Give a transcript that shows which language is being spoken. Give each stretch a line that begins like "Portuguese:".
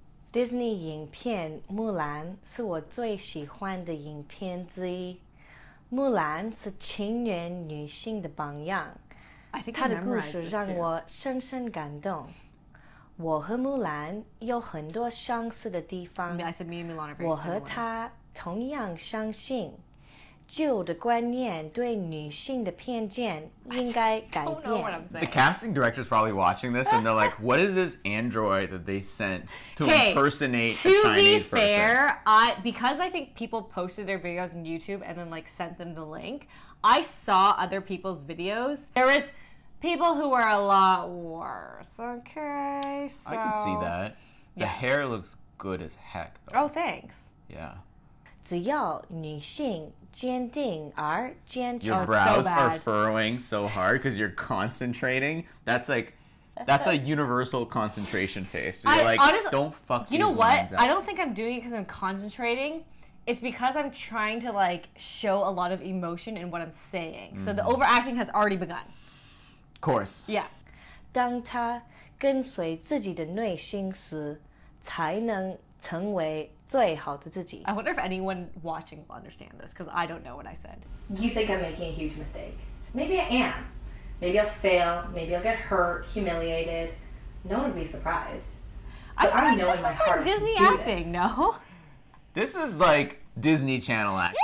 Chinese: Disney 影片 Mulan 是我最喜欢的影片之一。 Mulan 是情人女性的榜样，她的故事让我深深感动。我和 Mulan 有很多相似的地方。
English: I said me and Mulan are very similar.
Chinese: 我和她同样相信，旧的观念对女性的偏见应该改变。
English: I don't know what I'm saying. The casting director is probably watching this and they're like, what is this android that they sent to impersonate a Chinese person? To be fair, because I think people posted their videos on YouTube and then like sent them the link, I saw other people's videos. There was people who were a lot worse, okay? So, I can see that. The hair looks good as heck, though. Oh, thanks. Yeah.
Chinese: 只要女性坚定而坚持
English: Your brows so are furrowing so hard because you're concentrating. That's like, that's a universal concentration face. You're don't fuck You know what? I don't think I'm doing it because I'm concentrating. It's because I'm trying to like show a lot of emotion in what I'm saying. Mm-hmm. So the overacting has already begun. Of course. Yeah.
Chinese: 当她跟随自己的内心时才能成为最好的自己。
English: I wonder if anyone watching will understand this, because I don't know what I said. You think I'm making a huge mistake. Maybe I am. Maybe I'll fail. Maybe I'll get hurt, humiliated. No one would be surprised. I know in my heart. This is like Disney acting, no? This is like Disney Channel acting.